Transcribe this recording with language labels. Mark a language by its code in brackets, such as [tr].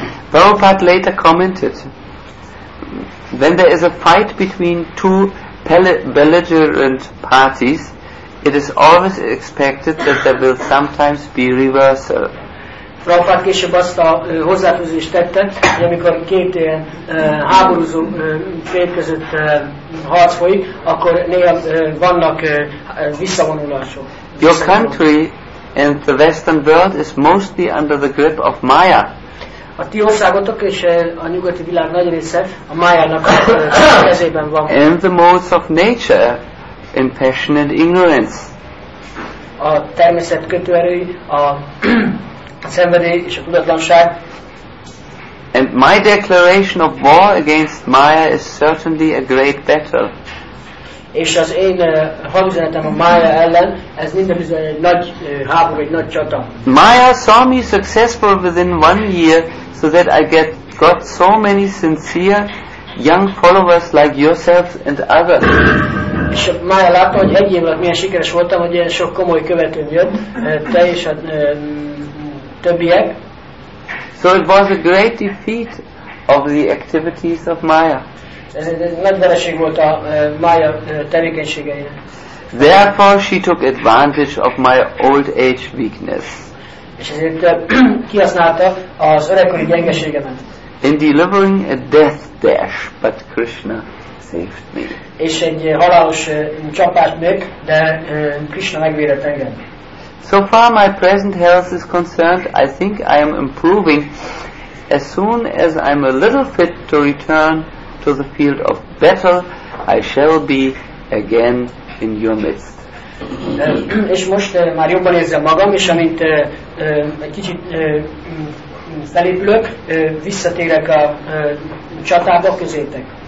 [en] Prabhupada later commented, when there is a fight between two belligerent parties, it is always expected that there will sometimes be reversal. [hu] Prabhupada később azt a hozzátúzést tette, hogy amikor két ilyen háborúzó fél között harc folyik, akkor néha vannak visszavonulások. [en] Your country and the Western world is mostly under the grip of Maya. [hu] A ti országotok és a nyugati világ nagy része a Mayának a kezében van. [en] And the modes of nature in passionate ignorance. [hu] A természet kötőerői, a szenvedély és a tudatlanság. [en] And my declaration of war against Maya is certainly a great battle. [hu] És az én hadüzenetem a Maya ellen, ez minden bizony egy nagy háború, egy nagy csata. [en] Maya saw me successful within one year, so that I got so many sincere young followers like yourselves and others. [hu] És Maya látta, hogy egy év alatt milyen sikeres voltam, hogy ilyen sok komoly követőm jött, te és a többiek. [en] So it was a great defeat of the activities of Maya. [hu] Ez nagy vereség volt a Maya tevékenységeire. [en] Therefore she took advantage of my old age weakness. [hu] És ezért kihasználta az öregkori gyengeségemet. [en] In delivering a death dash, but Krishna saved me. [hu] És egy halálos csapást még, de Krishna megvédett engem. [en] So far my present health is concerned, I think I am improving. As soon as I'm a little fit to return to the field of battle, I shall be again in your midst. [hu] És most már jobban érzem magam, és amint egy kicsit felépülök, visszatérek a csatába közétek.